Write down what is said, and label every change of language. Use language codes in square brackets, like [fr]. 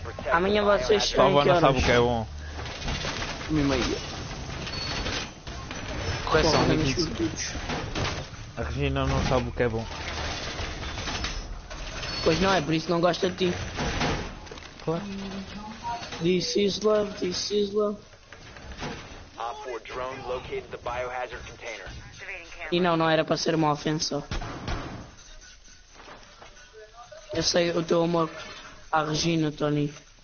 [pt] Amanhã vocês saem a que horas? A avó não sabe o que é bom. 1:30. Correção, é Nick. A Regina não sabe o que é bom. Pois não, é por isso que não gosta de ti. Claro. [en] This is love, this is love. Op 4 drone located the biohazard container. [pt] E não, não era para ser uma ofensa. Eu sei o teu amor à Regina, Tony.